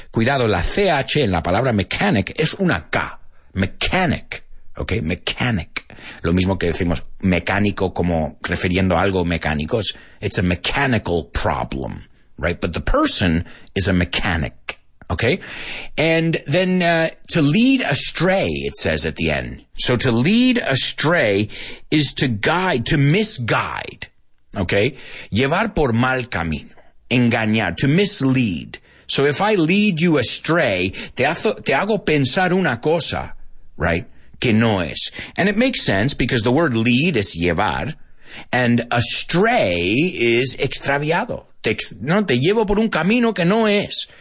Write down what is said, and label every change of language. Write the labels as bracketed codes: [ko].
[es] Cuidado, la CH en la palabra mechanic es una K. Mechanic. Okay, mechanic. Lo mismo que decimos mecánico como refiriendo a algo mecánico. [en] It's a mechanical problem. Right, but the person is a mechanic, okay? And then to lead astray, it says at the end. So to lead astray is to guide, to misguide, okay? [es] Llevar por mal camino, engañar, [en] to mislead. So if I lead you astray, [es] te hago pensar una cosa, right, que no es. [en] And it makes sense because the word lead is llevar, and astray is extraviado. [es] Te llevo por un camino que no es.